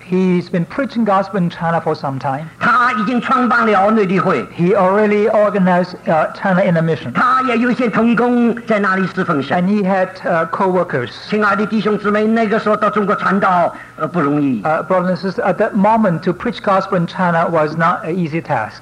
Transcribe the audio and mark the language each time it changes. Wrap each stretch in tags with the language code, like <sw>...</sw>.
<en>he's been preaching gospel in China for some time.</en> <zh>他已经创办了内地会,</zh> <en>he already organized China Inner Mission.</en> <zh>他也有一些同工在那里侍奉神,</zh> <en>and he had co-workers.</en> <zh>亲爱的弟兄姊妹, 那个时候到中国传道, 不容易,</zh> <en>brothers and sisters, at that moment to preach gospel in China was not an easy task.</en>